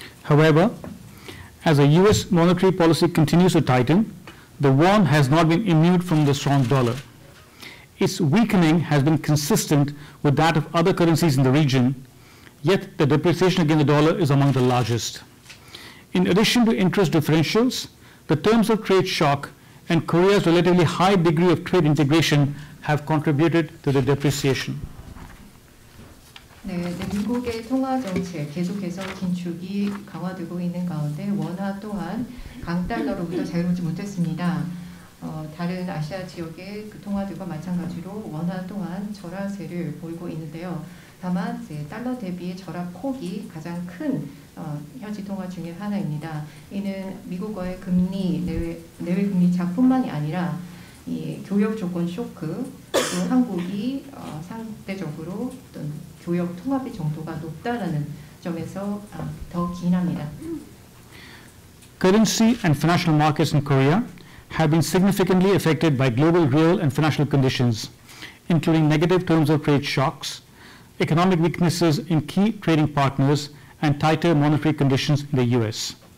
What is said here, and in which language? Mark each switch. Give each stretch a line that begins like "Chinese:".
English: However, as the US monetary policy continues to tighten, the won has not been immune from the strong dollar. Its weakening has been consistent with that of other currencies in the region, yet the depreciation against the dollar is among the largest. In addition to interest differentials, the terms of trade shock and Korea's relatively high degree of trade integration have contributed to the depreciation.
Korean: 네, 네, 미국의 통화 정책 계속해서 긴축이 강화되고 있는 가운데 원화 또한 강달러로부터 자유롭지 못했습니다. 다른 아시아 지역의 그 통화들과 마찬가지로 원화 또한 절하세를 보이고 있는데요. 다만 이제 달러 대비의 절하 폭이 가장 큰 현지 통화 중에 하나입니다. 이는 미국과의 금리 내외 금리 차뿐만이 아니라 이 교역 조건 쇼크 또 한국이 상대적으로 어떤 교역 통화비 정도가 높다라는 점에서 더 기인합니다.
English: Currency and financial markets in Korea have been significantly affected by global real and financial conditions, including negative terms of trade shocks, economic weaknesses in key trading partners, and tighter monetary conditions in the US.